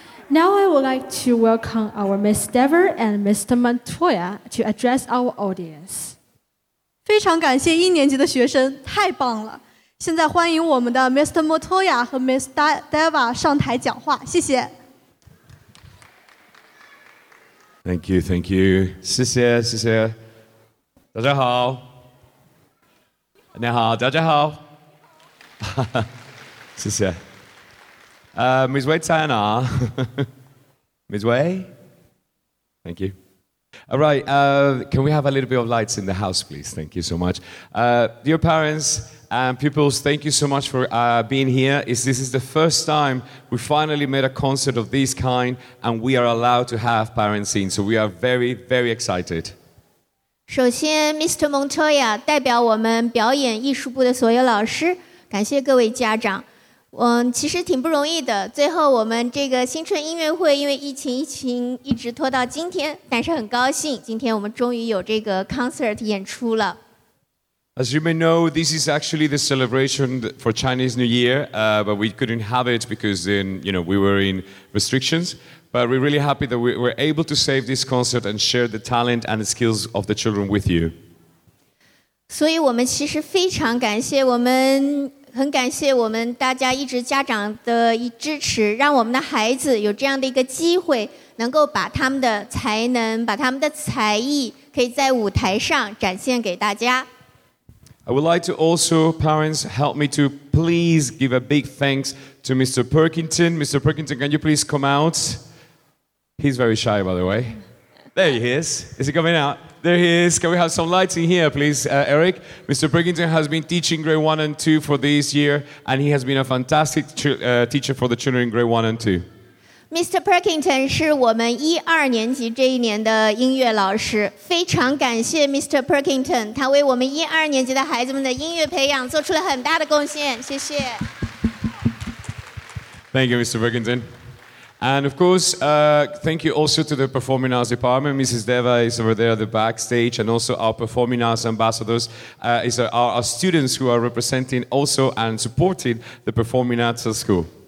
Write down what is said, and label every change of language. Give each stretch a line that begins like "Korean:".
English: Now I would like to welcome our Ms. Dever and Mr. Montoya to address our audience.
Chinese: 非常感谢一年级的学生，太棒了。现在欢迎我们的 Mr. Montoya 和 Ms. Deva 上台讲话，谢谢。
English: Thank you, thank you.
Chinese: 谢谢，谢谢。大家好。你好，大家好。谢谢。
English: Ms. Wei Tana. Ms. Wei? Thank you. All right, can we have a little bit of lights in the house, please? Thank you so much. Dear parents and pupils, thank you so much for being here. This is the first time we finally made a concert of this kind, and we are allowed to have parents in, so we are very, very excited.
Chinese: 首先 Mr. Montoya 代表我们表演艺术部的所有老师，感谢各位家长。其实挺不容易的，最后我们这个新春音乐会因为疫情一直拖到今天，但是很高兴今天我们终于有这个 concert 演出了。
English: As you may know, this is actually the celebration for Chinese New Year, but we couldn't have it because then, you know, we were in restrictions. But we're really happy that we were able to save this concert and share the talent and the skills of the children with you.
Chinese: 所以我们其实非常感谢我们很感谢我们大家一直家长的一支持，让我们的孩子有这样的一个机会，能够把他们的才能，把他们的才艺，可以在舞台上展现给大家。
English: I would like to also, parents, help me to please give a big thanks to Mr. Perkinton. Mr. Perkinton, can you please come out? He's very shy, by the way. There he is. Is he coming out? There he is. Can we have some lights in here, please, Eric? Mr. Perkinton has been teaching grade 1 and 2 for this year, and he has been a fantastic teacher for the children in grade 1 and 2. Mr.
Chinese: Perkinton 是我们一二年级这一年的音乐老师。非常感谢 Mr. Perkinton, 他为我们一二年级的孩子们的音乐培养做出了很大的贡献。谢谢。
English: Thank you, Mr. Perkinton. And of course, thank you also to the Performing Arts Department. Mrs. Deva is over there at the backstage, and also our Performing Arts Ambassadors are our students who are representing also and supporting the Performing Arts School.